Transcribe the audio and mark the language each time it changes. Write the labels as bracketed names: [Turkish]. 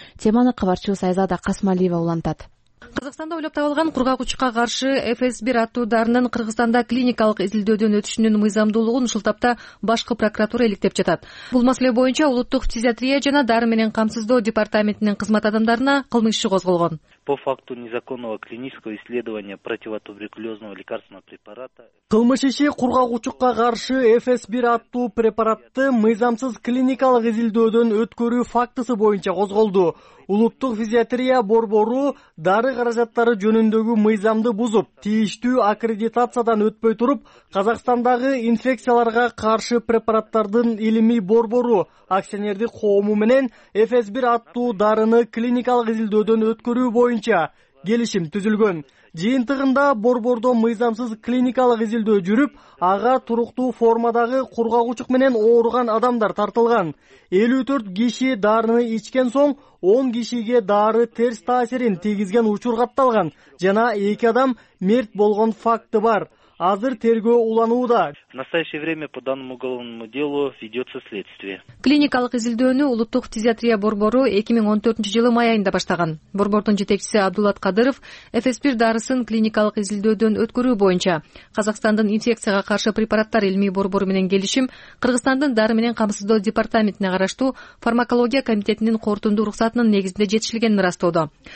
[Kyrgyz] Теманы кабарчыбыз Айзада Касмалиева улантат. Кыргызстанда ойлоп табылган кургак учукка каршы FS1 аттуу дарынын Кыргызстанда клиникалык изилдөөдөн өтүшүнүн мыйзамдуулугун ушул тапта башкы прокуратура иликтеп жатат. Бул маселе боюнча улуттук психиатрия жана дары менен камсыздоо департаментинин кызмат адамдарына кылмыш иши козголгон. [Russian] По факту незаконного клинического исследования противотуберкулезного лекарственного препарата. [Kyrgyz] Кылмыш иши кургак учукка каршы FS1 аттуу препаратты мыйзамсыз клиникалык изилдөөдөн өткөрүү фактысы боюнча козголду. Улуттук физиатрия борбору дары каражаттары жөнүндөгү мыйзамды бузуп, тийиштүү аккредитациядан өтпөй туруп, Казакстандагы инфекцияларга каршы препараттардын илимий борбору акционердик коому менен FS1 аттуу дарыны клиникалык изилдөөдөн өткөрүү боюнча келишим түзүлгөн. Жыйынтыгында борбордо мыйзамсыз клиникалык изилдөө жүрүп, ага туруктуу формадагы кургак учук менен ооруган адамдар тартылган. 54 киши дарыны ичкен соң 10 кишиге дары терс таасирин тийгизген учур катталган жана 2 адам мерт болгон факты бар. Азыр тергөө уланууда. [Russian] В настоящее время по данному уголовному делу ведется следствие. [Kyrgyz] Клиникалык изилдөөнү улуттук физиатрия борбору 2014 жылы май айында баштаган. Борбордун жетекчиси Абдулат Кадыров FS1 дарысын клиникалык изилдөөдөн өткөрүү боюнча Казакстандын инфекцияга каршы препараттар илмий борбору менен келишим, Кыргызстандын дары менен камсыздоо департаментине караштуу фармакология комитетинин корутунду уруксатынын негизинде жетишилгенин ырастоодо.